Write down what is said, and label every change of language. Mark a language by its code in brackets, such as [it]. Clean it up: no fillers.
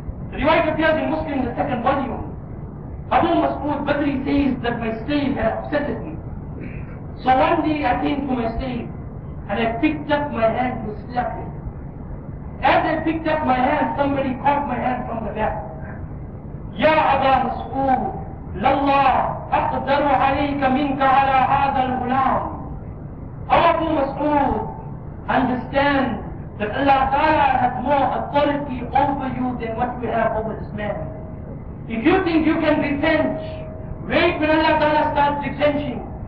[en] The riwayat appears in Muslim, the second volume. Abu Mas'ud Badri says that my slave had upset me. So one day I came to my slave and I picked up my hand to slap it. As I picked up my hand, somebody caught my hand from the back. [ar] Ya Abu Mas'ud, Lallah, أقدر عليك منك على هذا الغلام. [en] Abu Mas'ud, understand that Allah Ta'ala has more authority over you than what you have over this man. If you think you can retrench, wait when Allah Ta'ala starts retrenching.